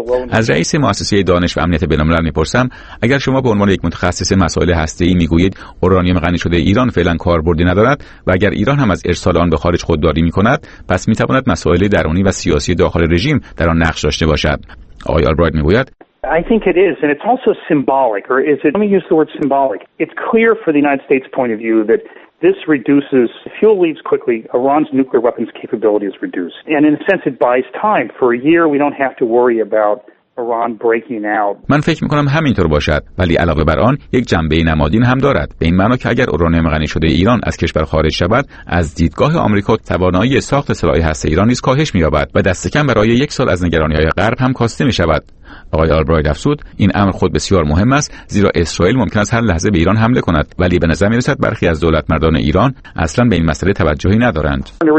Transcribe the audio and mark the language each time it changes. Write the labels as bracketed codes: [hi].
[fa] از رئیس مؤسسه دانش و امنیت بین‌الملل میپرسم اگر شما به عنوان یک متخصص مسائل هسته‌ای میگویید اورانیوم غنی شده ایران فعلا کاربردی ندارد و اگر ایران هم از ارسال آن به خارج خودداری میکند، پس میتواند مسائل درونی و سیاسی داخل رژیم در آن نقش داشته باشد. آقای آلبرایت میگوید [en] I think it is and it's also symbolic or is it let me use the word symbolic it's clear for the United States point of view that this reduces fuel leaves quickly Iran's nuclear weapons capability is reduced and in a sense it buys time for a year we don't have to worry about Iran breaking out [fa] من فکر میکنم همینطور باشد ولی علاوه بر آن یک جنبه نمادین هم دارد به این معنا که اگر اورانیوم غنی شده ایران از کشور خارج شود از دیدگاه آمریکا توانایی ساخت سلاح هسته ایران نیز کاهش مییابد و دست کم برای یک سال از نگرانی های غرب هم کاسته میشود آقای آلبرایت افسود این امر خود بسیار مهم است زیرا اسرائیل ممکن است هر لحظه به ایران حمله کند ولی به نظر میرسد برخی از دولت مردان ایران اصلا به این مسئله توجهی ندارند